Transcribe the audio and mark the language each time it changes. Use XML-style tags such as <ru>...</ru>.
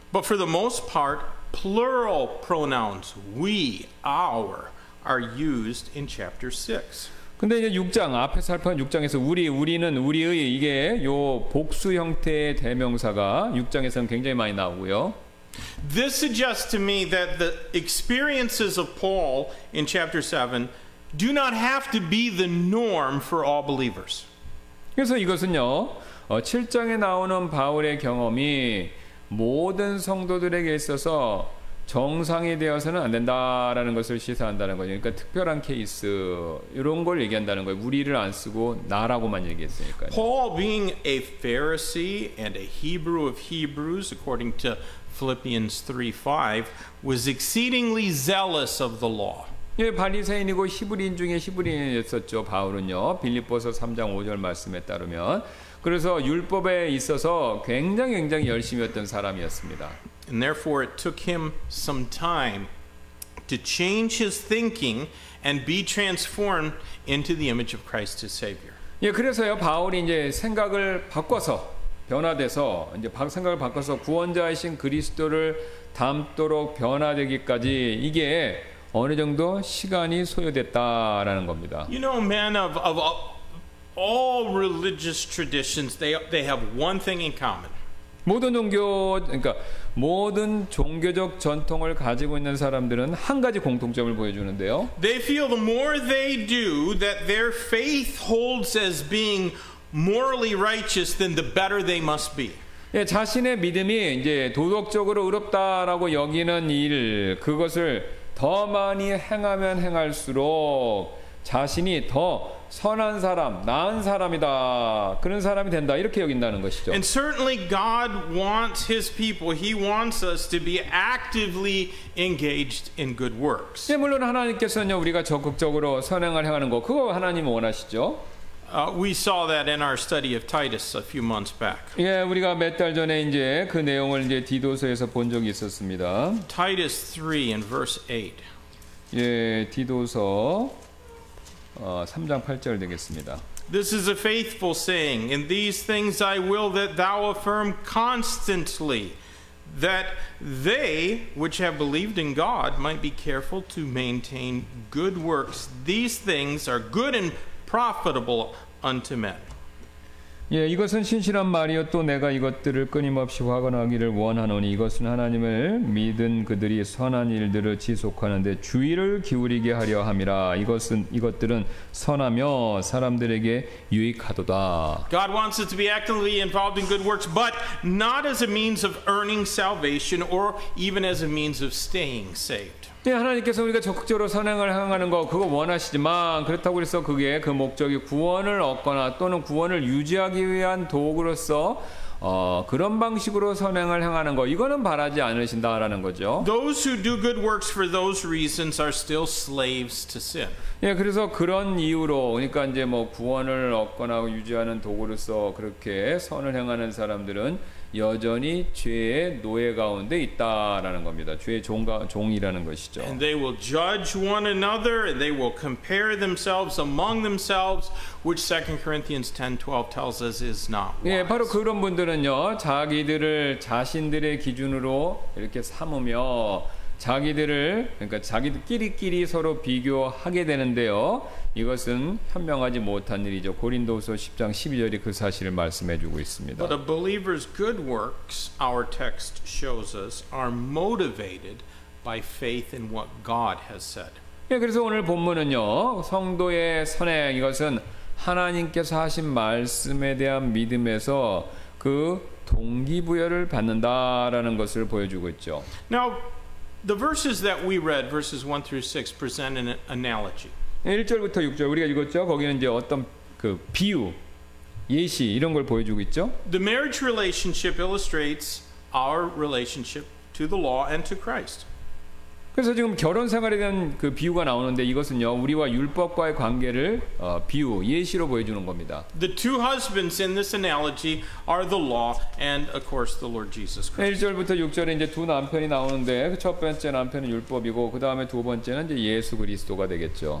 <en>But for the most part, plural pronouns we, our are used in chapter 6.</en> <ko>근데 이제 6장 앞에 살펴본 6장에서 우리는 우리의 이게 요 복수 형태의 대명사가 6장에서는 굉장히 많이 나오고요.</ko> <en>This suggests to me that the experiences of Paul in chapter 7 do not have to be the norm for all believers.</en> <ko>그래서 이것은요, 7장에 나오는 바울의 경험이 모든 성도들에게 있어서 정상이 되어서는 안 된다라는 것을 시사한다는 거죠. 그러니까 특별한 케이스 이런 걸 얘기한다는 거예요. 우리를 안 쓰고 나라고만 얘기했으니까.</ko> <en>Paul being a Pharisee and a Hebrew of Hebrews according to Philippians 3:5 was exceedingly zealous of the law.</en> <ko>예, 바리새인이고 히브리인 중에 히브리인이었었죠. 바울은요. 빌립보서 3장 5절 말씀에 따르면 그래서 율법에 있어서 굉장히 열심이었던 사람이었습니다.</ko> <en>And therefore it took him some time to change his thinking and be transformed into the image of Christ his savior.</en> <ko>예, 그래서요. 바울이 이제 생각을 바꿔서 변화돼서 이제 생각을 바꿔서 구원자이신 그리스도를 닮도록 변화되기까지 이게 어느 정도 시간이 소요됐다라는 겁니다.</ko> <en>You know, men of all religious traditions, they have one thing in common.</en> <ko>모든 종교, 그러니까 모든 종교적 전통을 가지고 있는 사람들은 한 가지 공통점을 보여주는데요.</ko> <en>They feel the more they do that their faith holds as being morally righteous, then the better they must be.</en> <ko>예, 자신의 믿음이 이제 도덕적으로 의롭다라고 여기는 일, 그것을 더 많이 행하면 행할수록 자신이 더 선한 사람, 나은 사람이다. 그런 사람이 된다. 이렇게 여긴다는 것이죠.</ko> <en>And certainly God wants his people. He wants us to be actively engaged in good works.</en> <ko>예, 물론 하나님께서는요, 우리가 적극적으로 선행을 행하는 거, 그거 하나님 원하시죠.</ko> <en>We saw that in our study of Titus a few months back.</en> <ko>예, 우리가 몇 달 전에 이제 그 내용을 이제 디도서에서 본 적이 있었습니다.</ko> <en>Titus 3 and verse 8.</en> <ko>예, 디도서 3장 8절 되겠습니다.</ko> <en>This is a faithful saying. In these things I will that thou affirm constantly that they which have believed in God might be careful to maintain good works. These things are good and profitable unto men.</en> <ko>예, 이것은 신실한 말이요 또 내가 이것들을 끊임없이 확언하기를 원하노니 이것은 하나님을 믿은 그들이 선한 일들을 지속하는데 주의를 기울이게 하려 함이라. 이것들은 선하며 사람들에게 유익하도다.</ko> <en>God wants us to be actively involved in good works, but not as a means of earning salvation or even as a means of staying saved.</en> <ko>예, 하나님께서 우리가 적극적으로 선행을 행하는 거 그거 원하시지만 그렇다고 해서 그게 그 목적이 구원을 얻거나 또는 구원을 유지하기 위한 도구로서 그런 방식으로 선행을 행하는 거 이거는 바라지 않으신다라는 거죠.</ko> <en>Those who do good works for those reasons are still slaves to sin.</en> <ko>예, 그래서 그런 이유로 그러니까 이제 뭐 구원을 얻거나 유지하는 도구로서 그렇게 선을 행하는 사람들은 여전히 죄의 노예 가운데 있다라는 겁니다. 죄의 종이라는 것이죠.</ko> <en>And they will judge one another and they will compare themselves among themselves which 2 Corinthians 10:12 tells us is not wise.</en> <ko>예, 바로 그런 분들은요. 자기들을 자신들의 기준으로 이렇게 삼으며 자기들을 그러니까 자기들끼리끼리 서로 비교하게 되는데요. 이것은 현명하지 못한 일이죠. 고린도후서 10장 12절이 그 사실을 말씀해 주고 있습니다.</ko> <en>But a believer's good works, our text shows us, are motivated by faith in what God has said.</en> <ko>예, 그래서 오늘 본문은요. 성도의 선행 이것은 하나님께서 하신 말씀에 대한 믿음에서 그 동기부여를 받는다라는 것을 보여주고 있죠.</ko> <en>Now, the verses that we read, verses 1 through 6, present an analogy.</en> <ko>1절부터 6절 우리가 읽었죠. 거기는 이제 어떤 그 비유, 예시 이런 걸 보여주고 있죠.</ko> <en>The marriage relationship illustrates our relationship to the law and to Christ.</en> <ko>그래서 지금 결혼 생활에 대한 그 비유가 나오는데 이것은요 우리와 율법과의 관계를 비유, 예시로 보여주는 겁니다.</ko> <en>The two husbands in this analogy are the law and, of course, the Lord Jesus Christ.</en> <ko>1절부터 6절에 이제 두 남편이 나오는데 첫 번째 남편은 율법이고 그 다음에 두 번째는 이제 예수 그리스도가 되겠죠.</ko>